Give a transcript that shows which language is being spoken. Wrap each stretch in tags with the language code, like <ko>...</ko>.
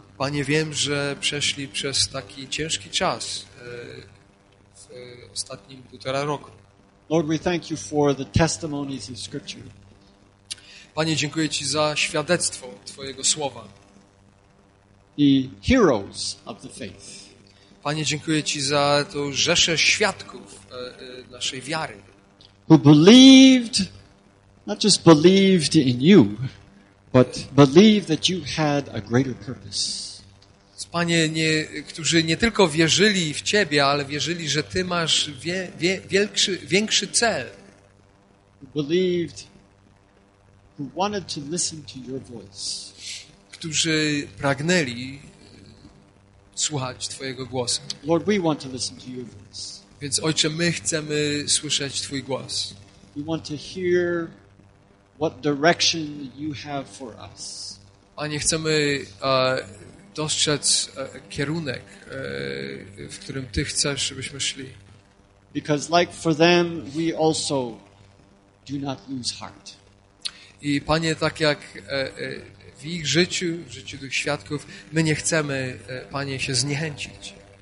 <pl>Panie, wiem, że przeszli przez taki ciężki czas w ostatnim półtora roku.</pl> <en>Lord, we thank you for the testimonies of Scripture.</en> <pl>Panie, dziękuję Ci za świadectwo Twojego Słowa.</pl> <en>The heroes of the faith.</en> <pl>Panie, dziękuję Ci za tą rzeszę świadków naszej wiary.</pl> <en>Who believed, not just believed in you, but believed that you had a greater purpose.</en> <pl>Panie, którzy nie tylko wierzyli w Ciebie, ale wierzyli, że Ty masz większy cel.</pl> <en>Who believed, who wanted to listen to your voice.</en> <pl>Którzy pragnęli słuchać Twojego głosu.</pl> <en>Lord, we want to listen to your voice.</en> <pl>Więc Ojcze, my chcemy słyszeć Twój głos.</pl> <en>We want to hear what direction you have for us.</en> <pl>Panie, chcemy dostrzec kierunek, w którym Ty chcesz, żebyśmy szli.</pl> <en>Because like for them, we also do not lose heart.</en> <pl>I Panie, tak jak w ich życiu, w życiu tych świadków, my nie chcemy, Panie, się zniechęcić.</pl>